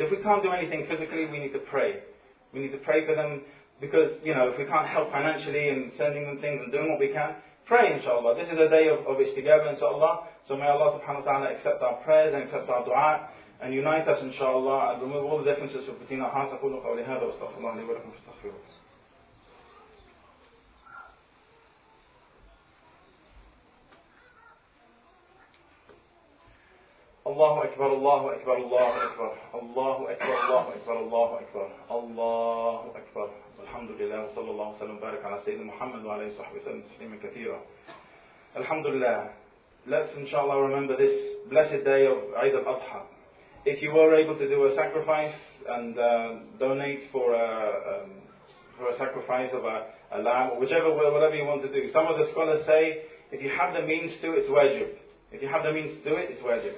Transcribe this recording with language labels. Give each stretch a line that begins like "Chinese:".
English: If we can't do anything physically, we need to pray. We need to pray for them, because, you know, if we can't help financially and sending them things and doing what we can, pray inshallah. This is a day of istighaba inshallah. So may Allah subhanahu wa ta'ala accept our prayers and accept our dua and unite us inshallah and remove all the differences between our hearts.
Arabic: أقول قولي هذا واستغفر الله لي ولكم فاستغفروه. الله أكبر الله أكبر الله أكبر الله أكبر الله أكبر الله أكبر الله أكبر الحمد لله وصلى الله وسلم وبارك على سيدنا محمد وعلى صحبه وسلم تسليما كثيرا الحمد لله.
English: Let's inshallah remember this blessed day of Eid al-Adha. If you were able to do a sacrifice and donate for a sacrifice of a lamb or whichever, whatever you want to do. Some of the scholars say If you have the means to, it's wajib. If you have the means to do it, it's wajib.